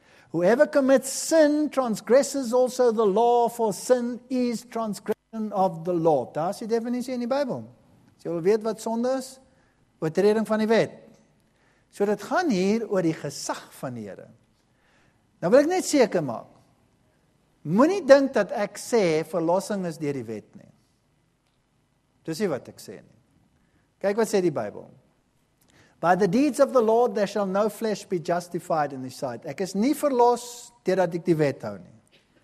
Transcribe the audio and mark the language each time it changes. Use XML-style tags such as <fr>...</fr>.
<en>Whoever commits sin transgresses also the law, for sin is transgression of the law.</en> <af>Daar is die definisie in die Bybel. As jy wil weet wat sonde is, oortreding van die wet. So dit gaan hier oor die gesag van die Here. Nou wil ek net seker maak. Moenie dink dat ek sê verlossing is deur die wet nie. Dis nie wat ek sê nie. Kyk wat sê die Bybel.</af> <en>By the deeds of the Lord there shall no flesh be justified in his sight.</en> <af>Ek is nie verlos terdat ek die wet hou nie.</af>